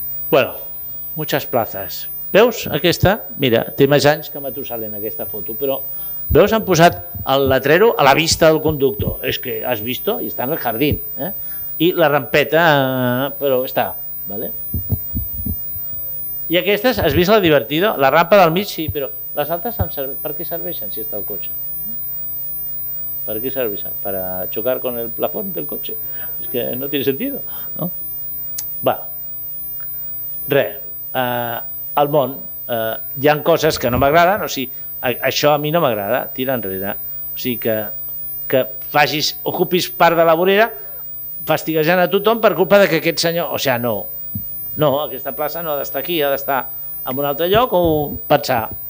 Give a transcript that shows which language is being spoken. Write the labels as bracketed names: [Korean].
[Spanish] Bueno, muchas plazas. [Catalan] Veus aquesta? Mira, té més anys que Matusalén aquesta foto, però veus, han posat el letrero a la vista del conductor. És que has vist? I està en el jardí. i la rampeta, però està, vale? I aquestes, has vist la divertida? La rampa del mig, sí, però les altres per què serveixen si està el cotxe? [Spanish] ¿Para qué servirá? ¿Para chocar con el plafón del coche? Es que no tiene sentido, ¿no? [Catalan] Va. Res. Al món hi ha coses que no m'agraden, o sigui, això a mi no m'agrada, tira enrere. O sigui, que facis, ocupis part de la vorera fastiguejant a tothom per culpa de que aquest senyor... O sigui, no. No, aquesta plaça no ha d'estar aquí, ha d'estar en un altre lloc o pensar.